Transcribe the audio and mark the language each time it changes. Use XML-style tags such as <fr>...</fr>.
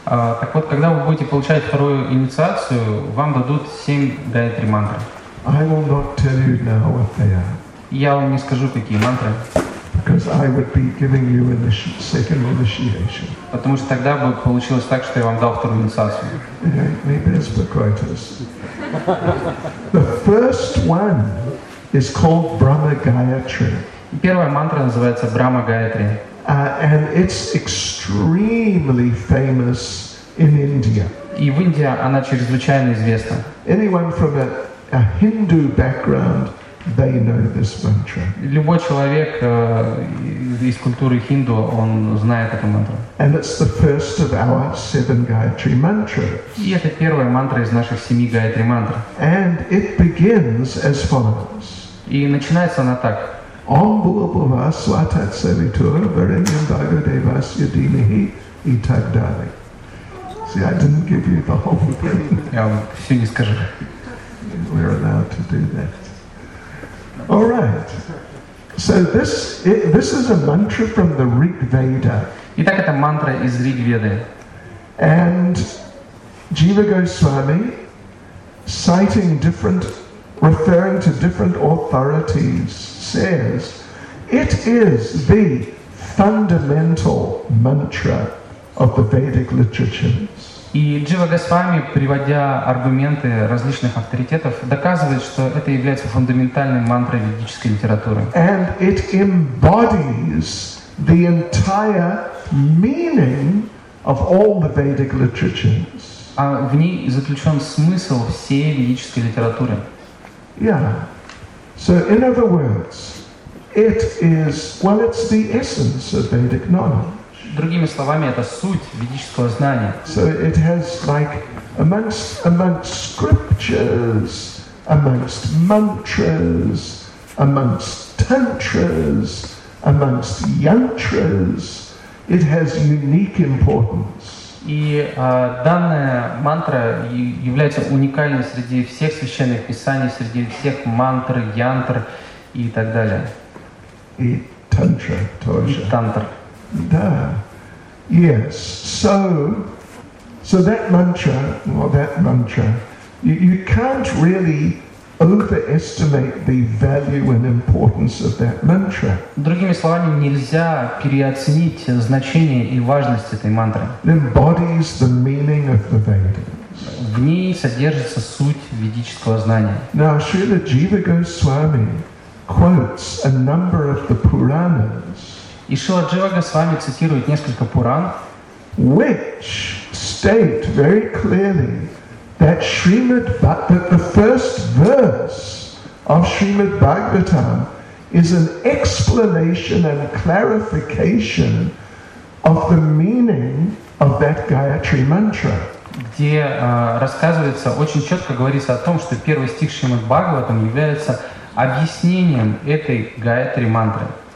<ru>Так вот, когда вы будете получать вторую инициацию, вам дадут 7 гаятри мантры.</ru> <en>I will not tell you now what they are.</en> <ru>Я вам не скажу, какие мантры.</ru> <en>Because I would be giving you a second initiation.</en> <ru>Потому что тогда бы получилось так, что я вам дал вторую инициацию.</ru> <en>Maybe it's Pocritus. The first one is called Brahma Gayatri.</en> <ru>Первая мантра называется Брахма Гаятри.</ru> <en>And it's extremely famous in India.</en> <ru>И в Индии она чрезвычайно известна.</ru> <en>Anyone from a Hindu background, they know this mantra.</en> <ru>Любой человек из культуры хинду, он знает эту мантру.</ru> <en>And it's the first of our seven Gayatri mantras.</en> <ru>И это первая мантра из наших семи Гаятри мантр.</ru> <en>And it begins as follows.</en> <ru>И начинается она так.</ru> <sa>Om Bhurbhuvah Svah Tat Savitur Varenyam Bhagavad Devasya Dhimahi Itag Dali.</sa> <en>See, I didn't give you the whole thing.</en> <ru>Я вам все не скажу.</ru> <en>We're allowed to do that. All right. So this is a mantra from the Rig Veda.</en> <ru>Итак, это мантра из Риг Веды.</ru> <en>And Jiva Goswami, citing different, referring to different authorities, says it is the fundamental mantra of the Vedic literatures.</en> <ru>И Джива Госвами, приводя аргументы различных авторитетов, доказывает, что это является фундаментальной мантрой ведической литературы.</ru> <en>And it embodies the entire meaning of all the Vedic literatures.</en> <ru>А в ней заключен смысл всей ведической литературы.</ru> <en>Yeah. So in other words, it is, well, it's the essence of Vedic knowledge.</en> <ru>Другими словами, это суть ведического знания.</ru> <en>So it has like amongst scriptures, amongst mantras, amongst tantras, amongst yantras, it has unique importance.</en> <ru>И данная мантра является уникальной среди всех священных писаний, среди всех мантр, янтр и так далее. И тантра тоже. И тантр. Да.</ru> <en>Yes. So that mantra, or that mantra, you can't really overestimate the value and importance of that mantra.</en> <ru>Другими словами, нельзя переоценить значение и важность этой мантры.</ru> <en>It embodies the meaning of the Vedas.</en> <ru>В ней содержится суть ведического знания.</ru> <en>Now, Srila Jiva Goswami quotes a number of the Puranas.</en> <ru>И Шрила Джива Госвами цитирует несколько Пуран,</ru> <en>which state very clearly that the first verse of Srimad Bhagavatam is an explanation and clarification of the meaning of that Gayatri mantra.</en> <ru>Где рассказывается, очень четко говорится о том, что первый стих Шримад Бхагаватам является объяснением этой Гаятри мантры.</ru>